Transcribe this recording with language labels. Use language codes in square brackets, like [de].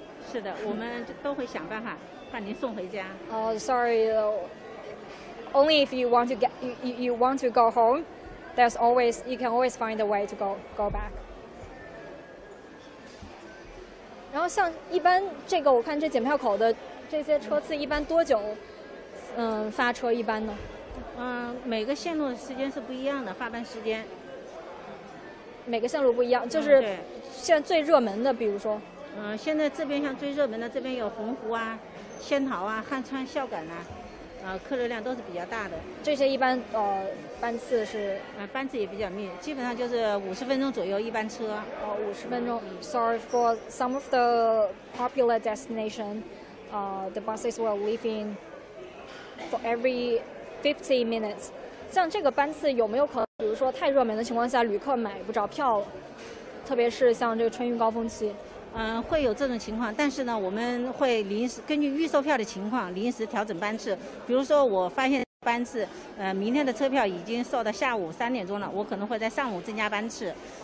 [zh] 是的，我们都会想办法把您送回家。 [en] Sorry, only if you want to get you want to go home, there's always you can always find a way to go back. [zh] 然后像一般这个，我看这检票口的这些车次，一般多久，发车一般呢？每个线路的时间是不一样的，发班时间。每个线路不一样，就是现在最热门的，比如说。现在这边像最热门的，这边有洪湖啊、仙桃啊、汉川、孝感呐、客流量都是比较大的。这些一般班次是？班次也比较密，基本上就是50分钟左右一班车。 50分钟。 [en] Sorry for some of the popular destination, the buses will leave in for every 50 minutes. [zh] 像这个班次有没有可能，比如说太热门的情况下，旅客买不着票，特别是像这个春运高峰期？会有这种情况，但是呢，我们会临时根据预售票的情况临时调整班次。比如说，我发现班次，明天的车票已经售到下午3点钟了，我可能会在上午增加班次。